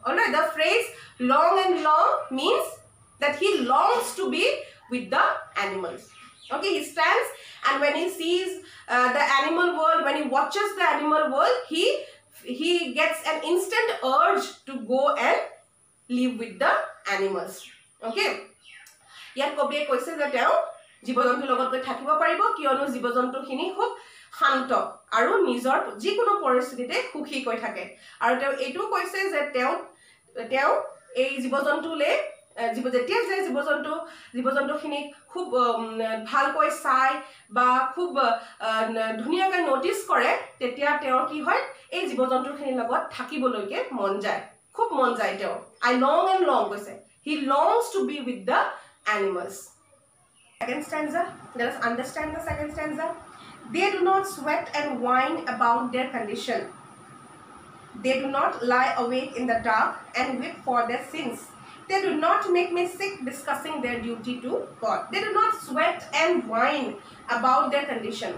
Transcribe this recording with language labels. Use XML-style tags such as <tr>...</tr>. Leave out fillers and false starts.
<en>Alright, the phrase long and long means that he longs to be with the animals. Okay, he stands and when he sees the animal world, when he watches the animal world, he gets an instant urge to go and live with the animals. Okay.</en> <as>ইয়াত কবিয়ে কৈছে যে তেওঁ জীৱজন্তুৰ লগত গৈ থাকিব পাৰিব কিয়নো জীৱজন্তুখিনি খুব শান্ত আৰু নিজৰ যিকোনো পৰিস্থিতিতে সুখী হৈ থাকে আৰু তেওঁ এইটো কৈছে যে তেওঁ এই জীৱজন্তুলৈ যেতিয়া যে জীৱজন্তুখিনিক খুব ভালকৈ চাই বা খুব ধুনীয়াকৈ নটিচ কৰে তেতিয়া তেওঁৰ কি হয় এই জীৱজন্তুখিনিৰ লগত থাকিবলৈকে মন যায় খুব মন যায় তেওঁ</as> <en>I long and long</en> <as>কৈছে</as> <en>He longs to be with the animals. Second stanza, let us understand the second stanza. They do not sweat and whine about their condition. They do not lie awake in the dark and weep for their sins. They do not make me sick discussing their duty to God. They do not sweat and whine about their condition.</en>